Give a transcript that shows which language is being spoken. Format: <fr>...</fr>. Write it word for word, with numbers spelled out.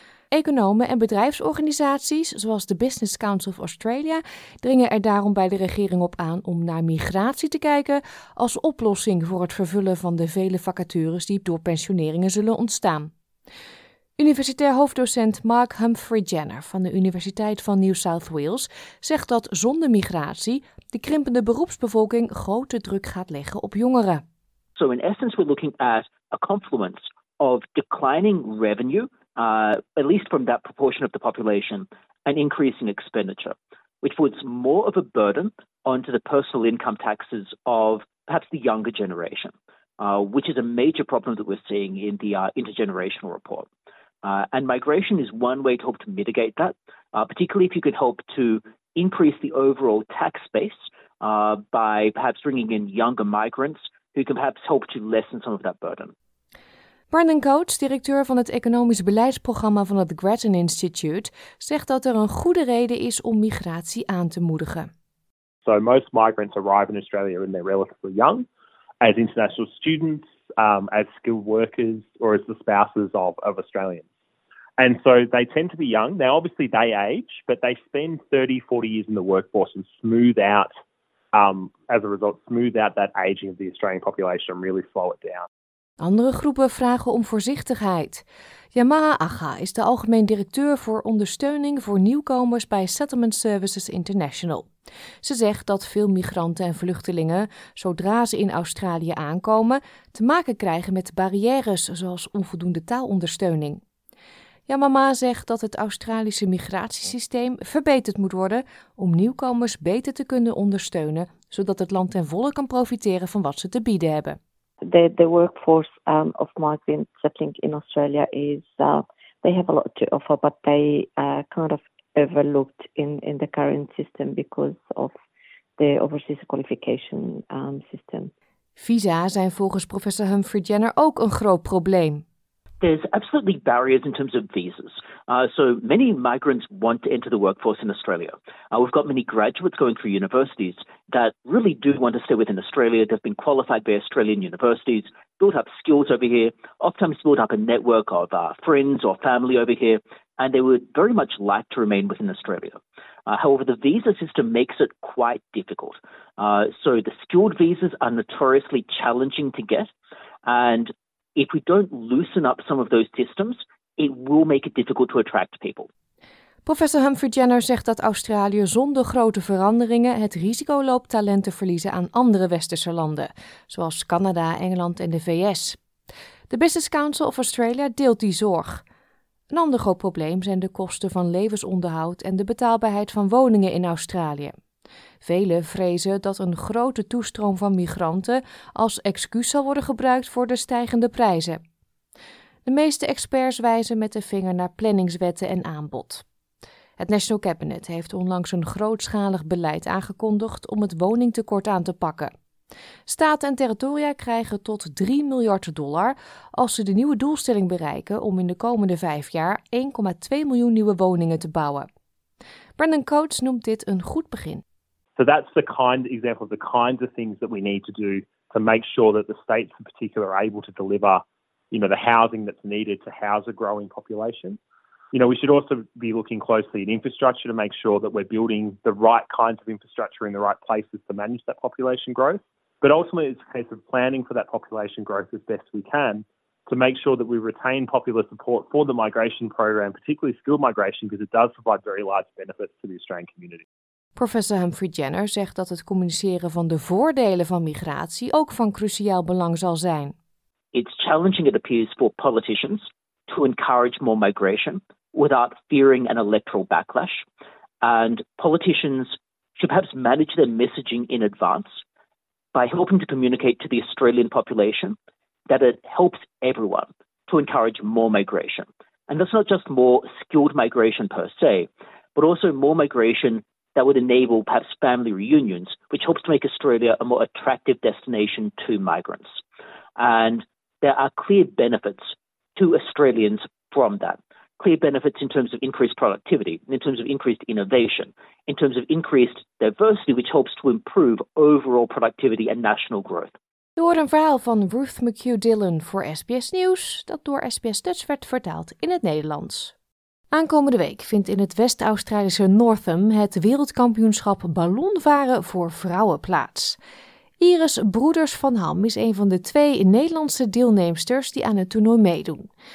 <nl>Economen en bedrijfsorganisaties, zoals de Business Council of Australia, dringen er daarom bij de regering op aan om naar migratie te kijken als oplossing voor het vervullen van de vele vacatures die door pensioneringen zullen ontstaan. Universitair hoofddocent Mark Humphrey-Jenner van de Universiteit van New South Wales zegt dat zonder migratie de krimpende beroepsbevolking grote druk gaat leggen op jongeren.</nl> <en>So in essence we're looking at a confluence of declining revenue, uh, at least from that proportion of the population, and increasing expenditure, which puts more of a burden onto the personal income taxes of perhaps the younger generation, uh, which is a major problem that we're seeing in the uh, intergenerational report. Uh, and migration is one way to help to mitigate that, uh, particularly if you could help to increase the overall tax base uh, by perhaps bringing in younger migrants who can perhaps help to lessen some of that burden.</en> <nl>Brandon Coates, directeur van het economisch beleidsprogramma van het Grattan Institute, zegt dat er een goede reden is om migratie aan te moedigen.</nl> <en>So most migrants arrive in Australia when they're relatively young, as international students, um, as skilled workers, or as the spouses of, of Australians. And so they tend to be young. Now, obviously, they age, but they spend thirty, forty years in the workforce and smooth out, um, as a result, smooth out that aging of the Australian population and really slow it down.</en> <nl>Andere groepen vragen om voorzichtigheid. Yamaha Agha is de algemeen directeur voor ondersteuning voor nieuwkomers bij Settlement Services International. Ze zegt dat veel migranten en vluchtelingen, zodra ze in Australië aankomen, te maken krijgen met barrières zoals onvoldoende taalondersteuning. Yamama zegt dat het Australische migratiesysteem verbeterd moet worden om nieuwkomers beter te kunnen ondersteunen, zodat het land ten volle kan profiteren van wat ze te bieden hebben.</nl> <en>The, the workforce um, of migrants settling in Australia is, uh, they have a lot to offer, but they uh, kind of overlooked in, in the current system because of the overseas qualification um, system.</en> <nl>Visa zijn volgens professor Humphrey-Jenner ook een groot probleem.</nl> <en>There's absolutely barriers in terms of visas. Uh, so many migrants want to enter the workforce in Australia. Uh, we've got many graduates going through universities that really do want to stay within Australia. They've been qualified by Australian universities, built up skills over here, oftentimes built up a network of uh, friends or family over here, and they would very much like to remain within Australia. Uh, however, the visa system makes it quite difficult. Uh, so the skilled visas are notoriously challenging to get, and if we don't loosen up some of those systems, it will make it difficult to attract people.</en> <nl>Professor Humphrey-Jenner zegt dat Australië zonder grote veranderingen het risico loopt talent te verliezen aan andere westerse landen, zoals Canada, Engeland en de V S. De Business Council of Australia deelt die zorg. Een ander groot probleem zijn de kosten van levensonderhoud en de betaalbaarheid van woningen in Australië. Velen vrezen dat een grote toestroom van migranten als excuus zal worden gebruikt voor de stijgende prijzen. De meeste experts wijzen met de vinger naar planningswetten en aanbod. Het National Cabinet heeft onlangs een grootschalig beleid aangekondigd om het woningtekort aan te pakken. Staten en territoria krijgen tot drie miljard dollar als ze de nieuwe doelstelling bereiken om in de komende vijf jaar één komma twee miljoen nieuwe woningen te bouwen. Brendan Coates noemt dit een goed begin.</nl> <en>So that's the kind example of the kinds of things that we need to do to make sure that the states in particular are able to deliver, you know, the housing that's needed to house a growing population. You know, we should also be looking closely at infrastructure to make sure that we're building the right kinds of infrastructure in the right places to manage that population growth. But ultimately, it's a case of planning for that population growth as best we can to make sure that we retain popular support for the migration program, particularly skilled migration, because it does provide very large benefits to the Australian community.</en> <nl>Professor Humphrey-Jenner zegt dat het communiceren van de voordelen van migratie ook van cruciaal belang zal zijn.</nl> <en>It's challenging, it appears, for politicians to encourage more migration without fearing an electoral backlash. And politicians should perhaps manage their messaging in advance by helping to communicate to the Australian population that it helps everyone to encourage more migration. And that's not just more skilled migration per se, but also more migration that would enable perhaps family reunions, which helps to make Australia a more attractive destination to migrants. And there are clear benefits to Australians from that. Clear benefits in terms of increased productivity, in terms of increased innovation, in terms of increased diversity, which helps to improve overall productivity and national growth.</en> <nl>We horen een verhaal van Ruth McHugh Dillon voor S B S Nieuws, dat door S B S Dutch werd vertaald in het Nederlands. Aankomende week vindt in het West-Australische Northam het wereldkampioenschap ballonvaren voor vrouwen plaats. Iris Broeders van Ham is een van de twee Nederlandse deelnemsters die aan het toernooi meedoen.</nl>